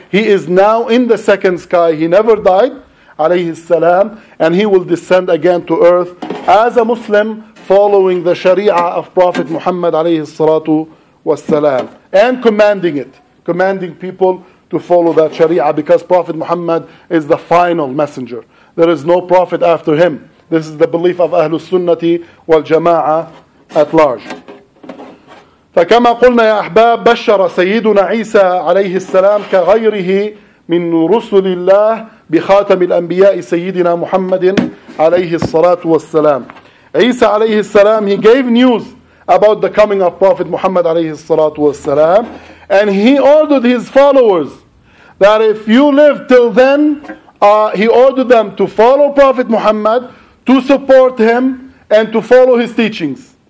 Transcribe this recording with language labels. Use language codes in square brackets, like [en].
[en] He is now in the second sky. He never died, alayhi salam, and he will descend again to earth as a Muslim, following the sharia of Prophet Muhammad alayhi salatu wasalam, and commanding people to follow that sharia, because Prophet Muhammad is the final messenger. There is no prophet after him. This is the belief of Ahlus Sunnati wal Jama'a at large. [ar] فكما قلنا يا أحباب بشر سيدنا عيسى عليه السلام كغيره من رسل الله بخاتم الأنبياء سيدنا محمد عليه الصلاة والسلام. عيسى عليه السلام, [en] he gave news about the coming of Prophet Muhammad [ar] عليه الصلاة والسلام, [en] and he ordered his followers that if you live till then, he ordered them to follow Prophet Muhammad, to support him, and to follow his teachings.